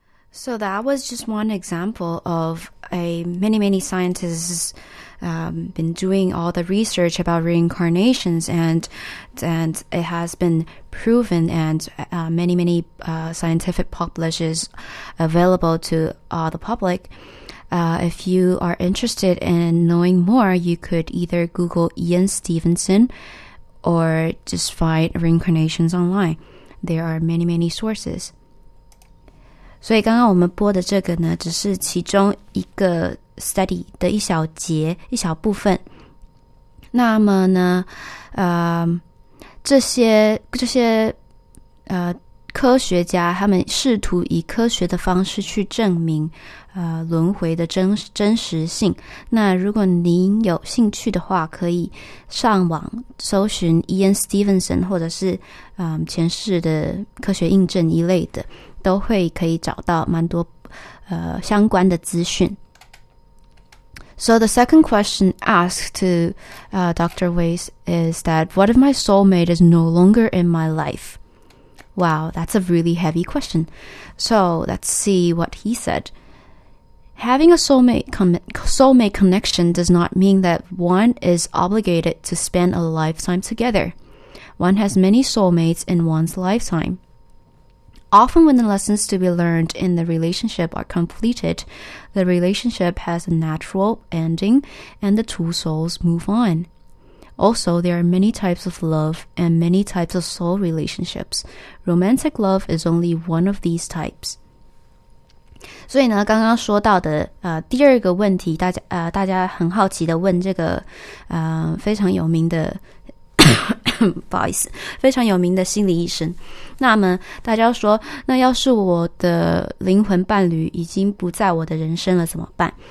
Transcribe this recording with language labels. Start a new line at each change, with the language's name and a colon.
English: So that was just one example of a many scientists been doing all the research about reincarnations, and it has been proven, and many scientific publishes available to the public. If you are interested in knowing more, you could either Google Ian Stevenson or just find reincarnations online. There are many sources.
Chinese: 所以刚刚我们播的这个呢，只是其中一个 study 的一小节一小部分。那么呢，这些科学家他们试图以科学的方式去证明轮回的真实性。那如果您有兴趣的话，可以上网搜寻 Ian Stevenson 或者是前世的科学印证一类的。都会可以找到蛮多相关的资讯。
English: So the second question asked to Dr. Weiss is that, what if my soulmate is no longer in my life? Wow, that's a really heavy question. So let's see what he said. Having a soulmate connection does not mean that one is obligated to spend a lifetime together. One has many soulmates in one's lifetime. Often when the lessons to be learned in the relationship are completed, the relationship has a natural ending and the two souls move on. Also, there are many types of love and many types of soul relationships. Romantic love is only one of these types.
Chinese: 所以呢，刚刚说到的第二个问题，大家很好奇的问这个非常有名的不好意思，非常有名的心理医生。那么大家说，那要是我的灵魂伴侣已经不在我的人生了怎么办？